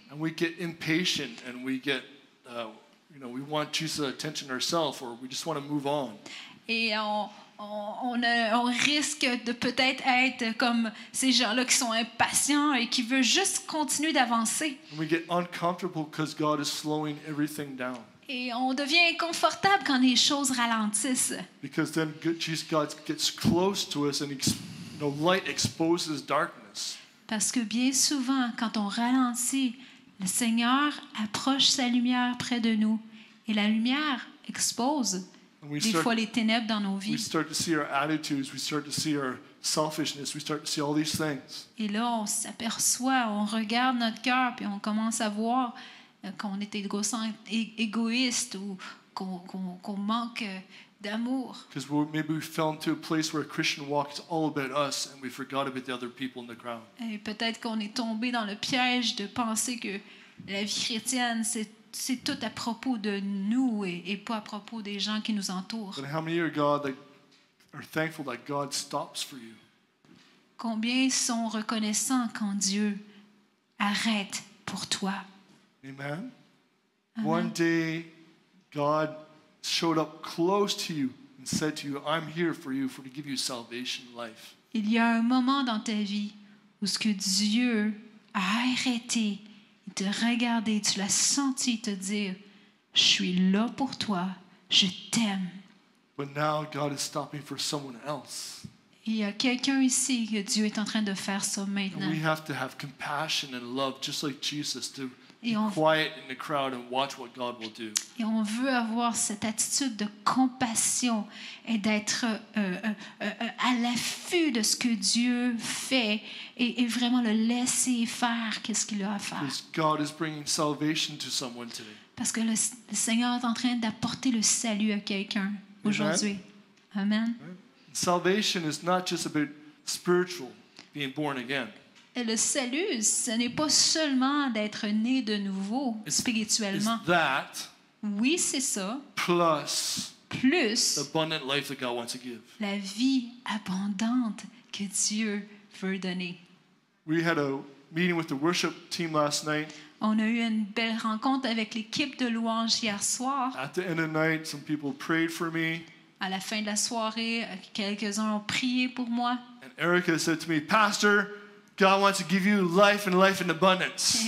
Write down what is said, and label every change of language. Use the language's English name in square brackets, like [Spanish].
[English] And we get impatient, and we get, you know, we want Jesus' attention ourselves, or we just want to move on. [French] Et on risque de peut-être être comme ces gens-là qui sont impatients et qui veulent juste continuer d'avancer. [English] And we get uncomfortable because God is slowing everything down. [French] Et on devient inconfortable quand les choses ralentissent. [English] Because then God gets close to us and light exposes darkness. [French] Parce que bien souvent, quand on ralentit, le Seigneur approche sa lumière près de nous et la lumière expose fois les ténèbres dans nos vies. [English] We start to see our attitudes, we start to see our selfishness, we start to see all these things. [French] Et là, on s'aperçoit, on regarde notre cœur puis on commence à voir qu'on est égoïste ou qu'on manque d'amour. [English] Because maybe we fell into a place where a Christian walk is all about us and we forgot about the other people in the crowd. [French] Et peut-être qu'on est tombé dans le piège de penser que la vie chrétienne c'est tout à propos de nous et pas à propos des gens qui nous entourent. [English] But how many are God that are thankful that God stops for you? [French] Combien sont reconnaissants quand Dieu arrête pour toi? [English] Amen. One day, God showed up close to you and said to you, "I'm here for you, for to give you salvation, life." [French] Il y a un moment dans ta vie où ce que Dieu a arrêté de regarder, tu l'as senti te dire, "Je suis là pour toi, je t'aime." [English] But now God is stopping for someone else. [French] Il y a quelqu'un ici que Dieu est en train de faire ça maintenant. [English] And we have to have compassion and love, just like Jesus, to quiet in the crowd and watch what God will do. [French] Et on veut avoir cette attitude de compassion et d'être à l'affût de ce que Dieu fait et vraiment le laisser faire qu'est-ce qu'il a à faire. [English] Because God is bringing salvation to someone today. [French] Parce que le Seigneur est en train d'apporter le salut à quelqu'un aujourd'hui. [English] Amen. Right. Salvation is not just about spiritual, being born again. [French] Et le salut, ce n'est pas seulement d'être né de nouveau spirituellement. [English] It's that. [French] Oui, c'est ça. [English] Plus. The abundant life that God wants to give. [French] La vie abondante que Dieu veut donner. [English] We had a meeting with the worship team last night. [French] On a eu une belle rencontre avec l'équipe de louange hier soir. [English] At the end of the night, some people prayed for me. [French] À la fin de la soirée, quelques-uns ont prié pour moi. [English] And Erica said to me, "Pastor, God wants to give you life and life in abundance."